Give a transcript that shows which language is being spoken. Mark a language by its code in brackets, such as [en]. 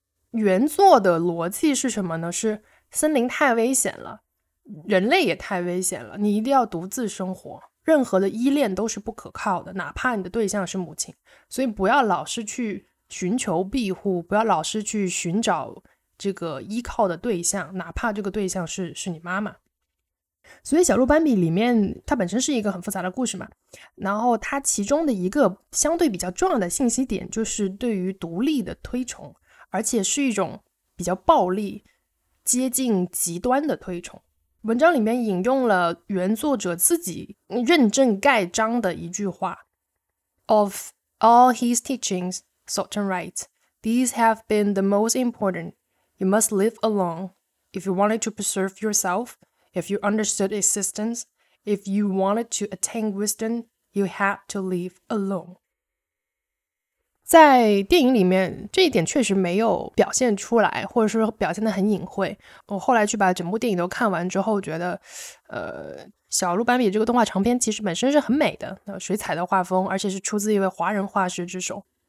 [zh] 原作的逻辑是什么呢？是森林太危险了，人类也太危险了，你一定要独自生活，任何的依恋都是不可靠的，哪怕你的对象是母亲，所以不要老是去寻求庇护，不要老是去寻找这个依靠的对象，哪怕这个对象是你妈妈。所以小鹿斑比里面它本身是一个很复杂的故事嘛，然后它其中的一个相对比较重要的信息点就是对于独立的推崇，而且是一种比较暴力接近极端的推崇。文章里面引用了原作者自己认证盖章的一句话， [en] Of all his teachings, Sultan writes, These have been the most important. You must live alone if you wanted to preserve yourselfIf you understood existence, if you wanted to attain wisdom, you had to live alone. [zh] 在电影里面，这一点确实没有表现出来，或者说表现得很隐晦。我后来去把整部电影都看完之后，觉得小鹿斑比这个动画长片其实本身是很美的，水彩的画风，而且是出自一位华人画师之手。